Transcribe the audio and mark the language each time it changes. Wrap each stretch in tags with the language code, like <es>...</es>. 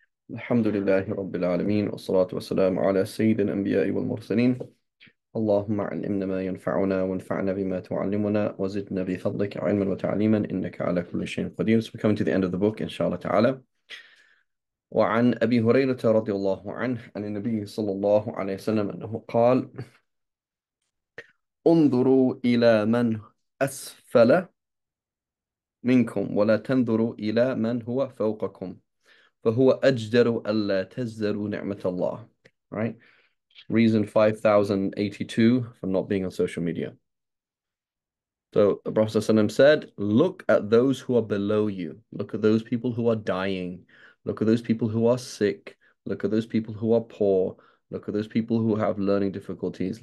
<ar>الحمد لله رب العالمين والصلاة والسلام على سيد الأنبياء والمرسلين. اللهم علمنا ما ينفعنا وانفعنا بما تعلمنا وزدنا بفضلك علما وتعليما إنك على كل شيء قدير.</ar> <en>So we're coming to the end of the book,</en> <ar>إن شاء الله تعالى. وعن أبي هريرة رضي الله عنه عن النبي صلى الله عليه وسلم أنه قال: انظروا إلى من أسفل منكم ولا تنظروا إلى من هو فوقكم فهو أجدر ألا تزدروا نعمة الله.</ar> <en>Right? Reason 5082 for not being on social media. So the Prophet ﷺ said, look at those who are below you. Look at those people who are dying. Look at those people who are sick. Look at those people who are poor. Look at those people who have learning difficulties.</en>